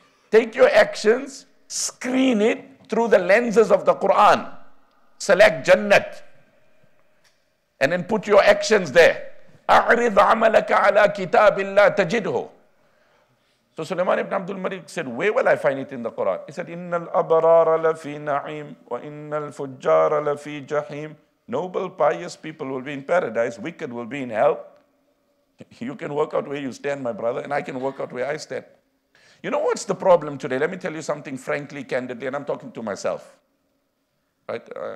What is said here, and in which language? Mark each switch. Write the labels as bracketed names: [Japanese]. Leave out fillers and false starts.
[English] Take your actions, screen it through the lenses of the Quran. Select Jannat. And then put your actions there. [Arabic] أَعْرِضْ عَمَلَكَ عَلَىٰ كِتَابِ اللَّهِ تَجِدْهُ. [English] So Sulaiman ibn Abdul Malik said, where will I find it in the Quran? He said, [Arabic] إِنَّ الْأَبْرَارَ لَفِي نَعِيمٍ وَإِنَّ الْفُجَّارَ لَفِي جَحِيمٍ. [English] Noble, pious people will be in paradise. Wicked will be in hell. You can work out where you stand, my brother, and I can work out where I stand. You know what's the problem today? Let me tell you something frankly, candidly, and I'm talking to myself. Right?